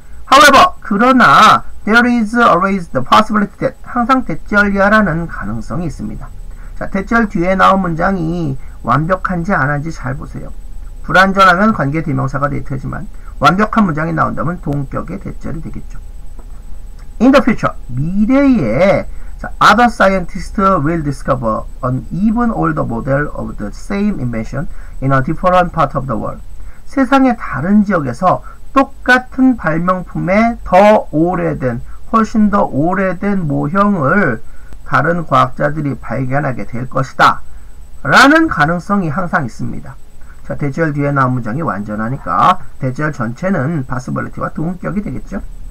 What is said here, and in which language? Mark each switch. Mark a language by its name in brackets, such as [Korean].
[English] However, [Korean] 그러나 [English] there is always the possibility that [Korean] 항상 대절이야라는 가능성이 있습니다. 자, 대절 뒤에 나온 문장이 완벽한지 안한지 잘 보세요. 불완전하면 관계 대명사가 되지만 완벽한 문장이 나온다면 동격의 대절이 되겠죠. [English] In the future, [Korean] 미래에 자, [English] other scientists will discover an even older model of the same invention in a different part of the world. [Korean] 세상의 다른 지역에서 똑같은 발명품의 더 오래된, 훨씬 더 오래된 모형을 다른 과학자들이 발견하게 될 것이다 라는 가능성이 항상 있습니다. 자, 대절 뒤에 나온 문장이 완전하니까 대절 전체는 possibility와 동격이 되겠죠.